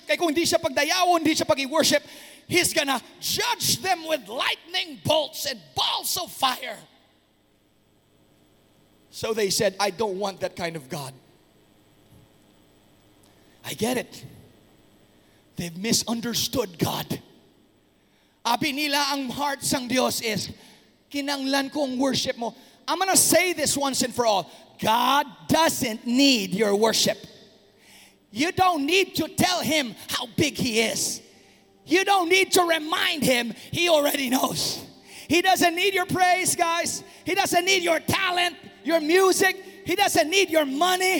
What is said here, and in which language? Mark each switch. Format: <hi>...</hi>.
<hil>Kay kung hindi siya pagdayawon, hindi siya pag-i-worship,</hil> <en>He's gonna judge them with lightning bolts and balls of fire. So they said, I don't want that kind of God. I get it. They've misunderstood God.</en> <hil>Abi nila ang heart sang Dios is, kinanglan ko ang worship mo.</hil> <en>I'm gonna say this once and for all. God doesn't need your worship. You don't need to tell Him how big He is. You don't need to remind Him. He already knows. He doesn't need your praise, guys. He doesn't need your talent, your music. He doesn't need your money.</en>